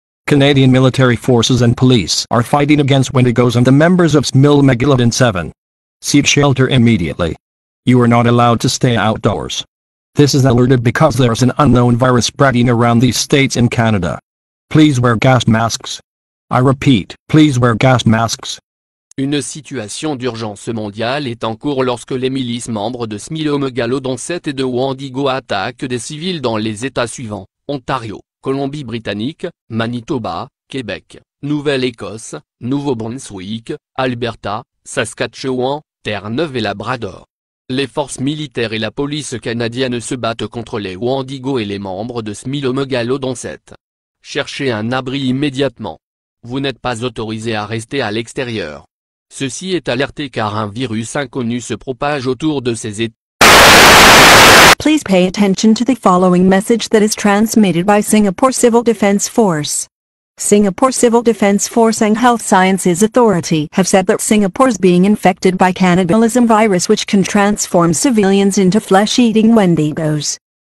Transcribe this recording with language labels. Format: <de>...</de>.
<en>Canadian military forces and police are fighting against Wendigos and the members of Smilomegalodon 7. Seek shelter immediately. You are not allowed to stay outdoors. This is alerted because there is an unknown virus spreading around these states in Canada. Please wear gas masks. I repeat, please wear gas masks.</en> <fr>Une situation d'urgence mondiale est en cours lorsque les milices membres de Smilomegalodon 7 et de Wendigo attaquent des civils dans les états suivants: Ontario, Colombie-Britannique, Manitoba, Québec, Nouvelle-Écosse, Nouveau-Brunswick, Alberta, Saskatchewan, Terre-Neuve et Labrador. Les forces militaires et la police canadienne se battent contre les Wendigos et les membres de Smilomegalodon 7. Cherchez un abri immédiatement. Vous n'êtes pas autorisé à rester à l'extérieur. Ceci est alerté car un virus inconnu se propage autour de ces états.</fr> <en>Please pay attention to the following message that is transmitted by Singapore Civil Defense Force. Singapore Civil Defense Force and Health Sciences Authority have said that Singapore is being infected by cannibalism virus which can transform civilians into flesh-eating Wendigos.</en>